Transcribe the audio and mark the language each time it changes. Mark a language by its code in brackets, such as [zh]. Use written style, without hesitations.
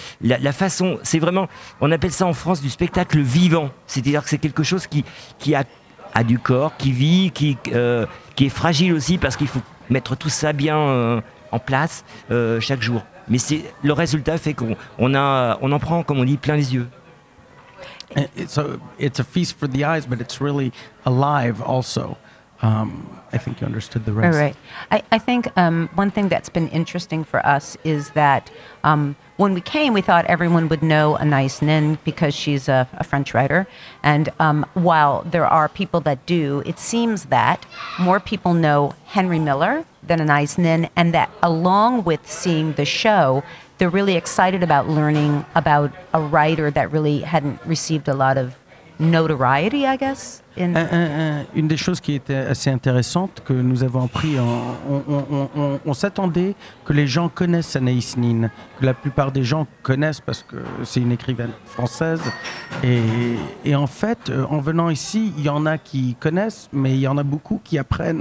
[fr] La façon, c'est vraiment, on appelle ça en France du spectacle vivant. C'est-à-dire que c'est quelque chose qui a du corps, qui vit, qui est fragile aussi parce qu'il faut mettre tout ça bien en place chaque jour. Mais c'est, le résultat fait qu'on en prend, comme on dit, plein les yeux. [en] It's a feast for the eyes, but it's really alive also. I think you understood the rest. All right. I think one thing that's been interesting for us is that when we came, we thought everyone would know Anaïs Nin because she's a French writer. And while there are people that do, it seems that more people know Henry Miller than Anaïs Nin, and that along with seeing the show, they're really excited about learning about a writer that really hadn't received a lot of notoriety, I guess. [fr] Une des choses qui était assez intéressante que nous avons appris, on s'attendait que les gens connaissent Anaïs Nin, que la plupart des gens connaissent parce que c'est une écrivaine française. Et en fait, en venant ici, il y en a qui connaissent, mais il y en a beaucoup qui apprennent.